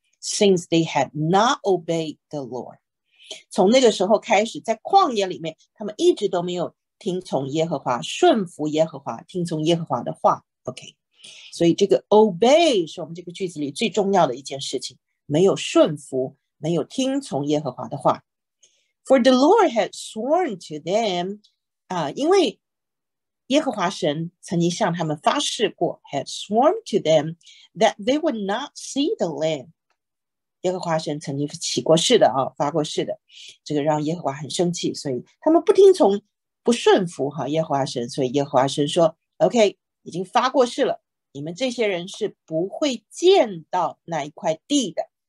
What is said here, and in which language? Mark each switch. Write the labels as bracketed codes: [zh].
[en] Since they had not obeyed the Lord， [zh] 从那个时候开始，在旷野里面，他们一直都没有听从耶和华，顺服耶和华，听从耶和华的话。 OK，所以这个 obey 是我们这个句子里最重要的一件事情，没有顺服，没有听从耶和华的话。 [en] For the Lord had sworn to them， [zh] 因为耶和华神曾经向他们发誓过， [en] had sworn to them that they would not see the land。 [zh] 耶和华神曾经起过誓的啊，发过誓的，这个让耶和华很生气，所以他们不听从、不顺服哈、啊、耶和华神。所以耶和华神说：“OK，已经发过誓了，你们这些人是不会见到那一块地的。